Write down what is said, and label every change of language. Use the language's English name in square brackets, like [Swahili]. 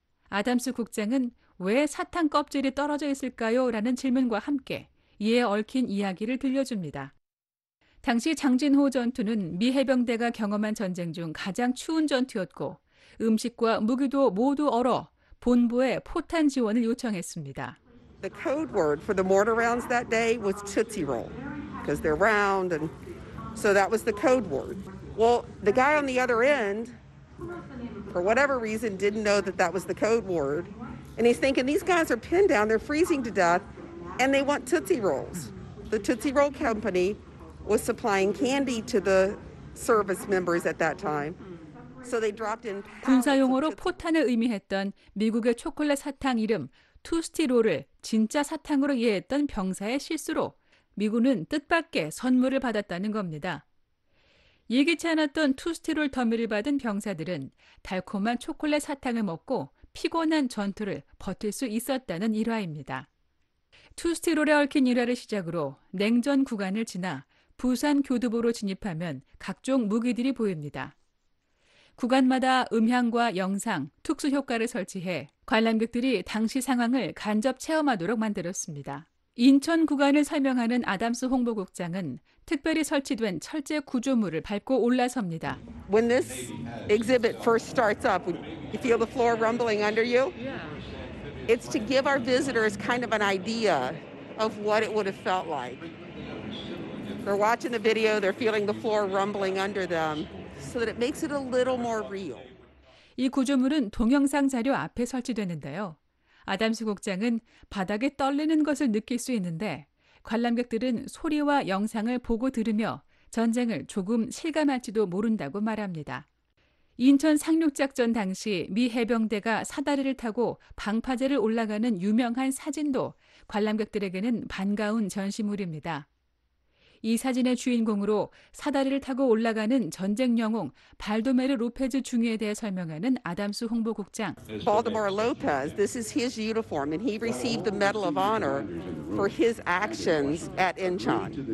[Korean] 아담스 국장은 왜 사탕 껍질이 떨어져 있을까요? 라는 질문과 함께 이에 얽힌 이야기를 들려줍니다. 당시 장진호 전투는 미 해병대가 경험한 전쟁 중 가장 추운 전투였고 음식과 무기도 모두 얼어 본부에 포탄 지원을 요청했습니다. [English] The code word for the mortar rounds that day was Tootsie Roll because they're round and so that was the code word. Well, the guy on the other end for whatever reason didn't know that that was the code word and he's thinking these guys are pinned down, they're freezing to death and they want Tootsie Rolls. The Tootsie Roll company was supplying candy to the service members at that time. So they dropped in [Korean] 군사용어로 포탄을 의미했던 미국의 초콜릿 사탕 이름 투스티롤을 진짜 사탕으로 이해했던 병사의 실수로 미군은 뜻밖의 선물을 받았다는 겁니다. 예기치 않았던 투스티롤 더미를 받은 병사들은 달콤한 초콜릿 사탕을 먹고 피곤한 전투를 버틸 수 있었다는 일화입니다. 투스티롤에 얽힌 일화를 시작으로 냉전 구간을 지나 부산 교두보로 진입하면 각종 무기들이 보입니다. 구간마다 음향과 영상, 특수 효과를 설치해 관람객들이 당시 상황을 간접 체험하도록 만들었습니다. 인천 구간을 설명하는 아담스 홍보국장은 특별히 설치된 철제 구조물을 밟고 올라섭니다. [English] When this exhibit first starts up, you feel the floor rumbling under you? It's to give our visitors kind of an idea of what it would have felt like. They're watching the video, they're feeling the floor rumbling under them. So that it makes it a little more real. [Korean] 이 구조물은 동영상 자료 앞에 설치되는데요. 아담스 국장은 바닥에 떨리는 것을 느낄 수 있는데 관람객들은 소리와 영상을 보고 들으며 전쟁을 조금 실감할지도 모른다고 말합니다. 인천 상륙작전 당시 미 해병대가 사다리를 타고 방파제를 올라가는 유명한 사진도 관람객들에게는 반가운 전시물입니다. 이 사진의 주인공으로 사다리를 타고 올라가는 전쟁 영웅 발도메르 로페즈 중위에 대해 설명하는 아담스 홍보국장. [English] Baldomero Lopez, this is his uniform and he received the Medal of Honor for his actions at Incheon.